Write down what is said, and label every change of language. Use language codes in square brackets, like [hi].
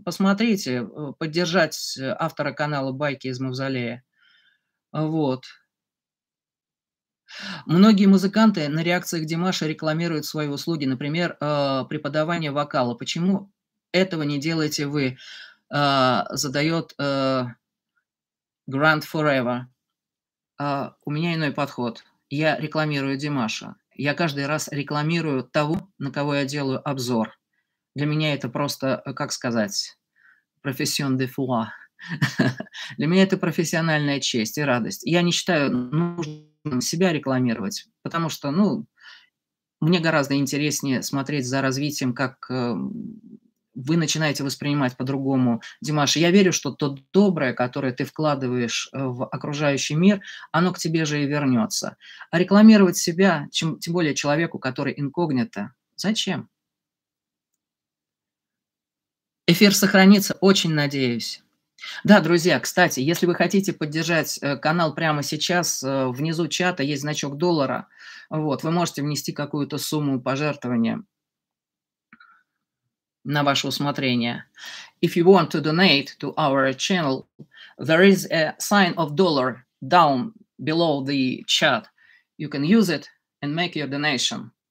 [ru] Посмотрите, поддержать автора канала «Байки из Мавзолея». Вот. Многие музыканты на реакциях Димаша рекламируют свои услуги, например, преподавание вокала. Почему этого не делаете вы? Задает Grant Forever. У меня иной подход. Я рекламирую Димаша. Я каждый раз рекламирую того, на кого я делаю обзор. Для меня это просто, как сказать, [fr] profession de foi. [ru] Для меня это профессиональная честь и радость. Я не считаю нужным себя рекламировать, потому что, ну, мне гораздо интереснее смотреть за развитием, как вы начинаете воспринимать по-другому Димаша. Я верю, что то доброе, которое ты вкладываешь в окружающий мир, оно к тебе же и вернется. А рекламировать себя, тем более человеку, который инкогнито, зачем? Эфир сохранится, очень надеюсь. Да, друзья, кстати, если вы хотите поддержать канал прямо сейчас, внизу чата есть значок доллара, вот, вы можете внести какую-то сумму пожертвования на ваше усмотрение. [en] If you want to donate to our channel, there is a sign of dollar down below the chat. You can use it and make your donation.